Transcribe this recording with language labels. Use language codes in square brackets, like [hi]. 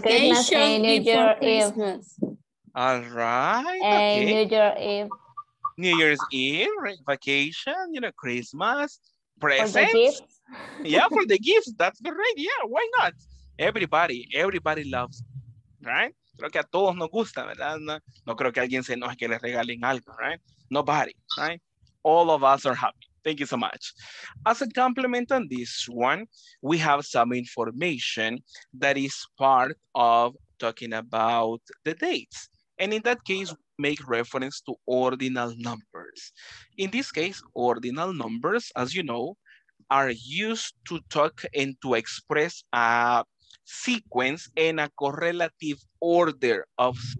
[en] Vacation, New Year Eve. All right. New Year's Eve, right? Vacation, you know, Christmas, presents. For the gifts, that's great. Yeah, why not? Everybody loves, right? [es] Creo que a todos nos gusta, ¿verdad? No, no creo que alguien se enoje que le regalen algo, right? [en] Nobody, right? All of us are happy. Thank you so much. As a complement on this one, we have some information that is part of talking about the dates. And in that case, make reference to ordinal numbers. In this case, ordinal numbers, as you know, are used to talk and to express a sequence and a correlative order of.